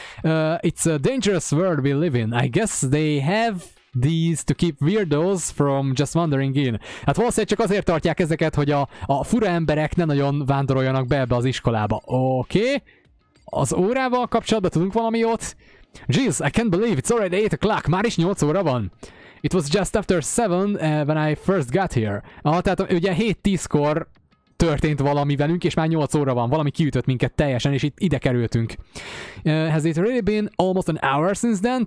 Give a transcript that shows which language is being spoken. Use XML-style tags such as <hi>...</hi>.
<en>It's a dangerous world we live in. I guess they have these to keep weirdos from just wandering in.</en> <hu>Hát valószínűleg csak azért tartják ezeket, hogy a fura emberek ne nagyon vándoroljanak be ebbe az iskolába. Oké. Az órával kapcsolatban tudunk valami jót?</hu> <en>Jeez, I can't believe it's already 8 o'clock.</en> <hu>Már is 8 óra van.</hu> <en>It was just after 7 when I first got here.</en> <hu>Ah, tehát ugye 7-10-kor történt valami velünk, és már 8 óra van. Valami kiütött minket teljesen, és itt ide kerültünk.</hu> <en>Has it really been almost an hour since then?</en>